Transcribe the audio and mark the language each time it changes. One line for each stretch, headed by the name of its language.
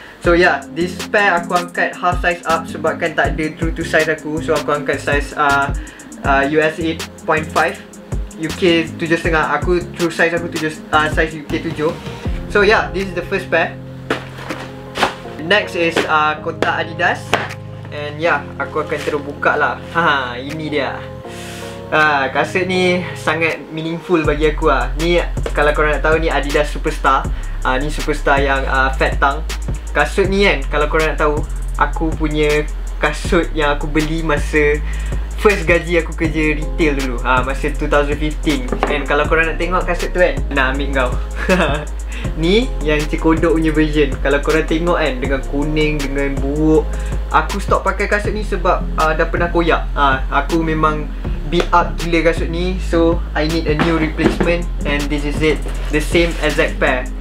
Malay: So yeah,
English: this pair
Malay: aku angkat half size up sebabkan tak ada true to size aku. So aku angkat size US 8.5, UK 7.5. Aku true size aku 7, size UK 7.
English: So yeah, this is the first pair.
Malay: Next is kotak Adidas. And yeah, aku akan terus buka lah. Haa, ini dia. Kasut ni sangat meaningful bagi aku lah. Ni kalau korang nak tahu, ni Adidas Superstar. Ni Superstar yang fat tang. Kasut ni kan, kalau korang nak tahu, aku punya kasut yang aku beli masa first gaji aku kerja retail dulu, masa 2015. And kalau korang nak tengok kasut tu kan, nak ambil kau. Ni yang cikodok punya version. Kalau korang tengok kan, dengan kuning, dengan buruk. Aku stop pakai kasut ni sebab dah pernah koyak. Aku memang beat up gila kasut ni.
English: So I need a new replacement. And this is it, the same exact pair.